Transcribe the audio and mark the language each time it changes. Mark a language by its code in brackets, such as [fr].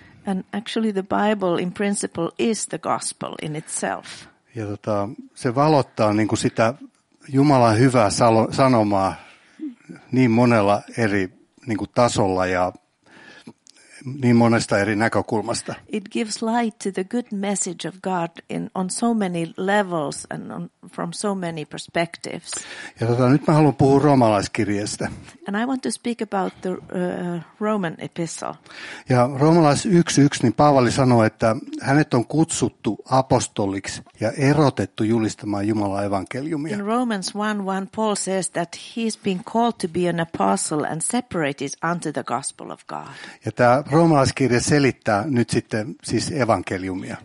[en] And actually the Bible in principle is the gospel in itself. [fi] Ja se valottaa niin kuin sitä Jumalan hyvää sanomaa niin monella eri niin kuin tasolla ja niin monesta eri näkökulmasta. [en] It gives light to the good message of God in on so many levels and on, from so many perspectives. [fi] Ja nyt mä haluan puhua roomalaiskirjeestä. [en] And I want to speak about the Roman epistle. [fi] Ja roomalais 1:1 niin Paavali sanoo, että hänet on kutsuttu apostoliksi ja erotettu julistamaan Jumalan evankeliumia. [en] In Romans 1:1 Paul says that he's been called to be an apostle and separated unto the gospel of God. [fi] Ja tämä roomalaiskirje selittää nyt sitten siis evankeliumia.